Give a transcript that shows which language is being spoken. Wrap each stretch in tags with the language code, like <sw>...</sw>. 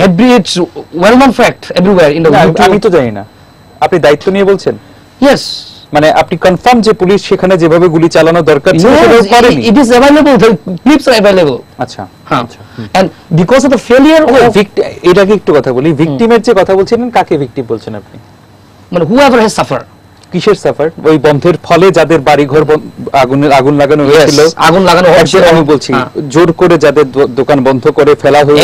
<en>Every, it's well known fact everywhere in the</en> <bn>world. Ami to jani na. আপনি দায়িত্ব নিয়ে বলছেন?</bn> <en>Yes,</en> <bn>মানে আপনি কনফার্ম যে পুলিশ সেখানে যেভাবে গুলি চালানো দরকার ছিল সেটা করেনি?</bn> <en>It is available, the clips are available.</en> <bn>আচ্ছা,</bn> <en>হ্যাঁ, and because of the failure of</en> <bn>victim, এটা কি একটু কথা বলি, ভিকটিমের যে কথা বলছিলেন কাকে ভিকটিম বলছেন আপনি?</bn> <en>মানে whoever has suffered.</en> <bn>কিসের সাফার? ওই বন্ধের ফলে যাদের বাড়িঘর আগুনে আগুন লাগানো হয়েছিল, আগুন লাগানো হয়েছে, আমি বলছি জোর করে যাদের দোকান বন্ধ করে ফেলা হয়েছিল,</bn>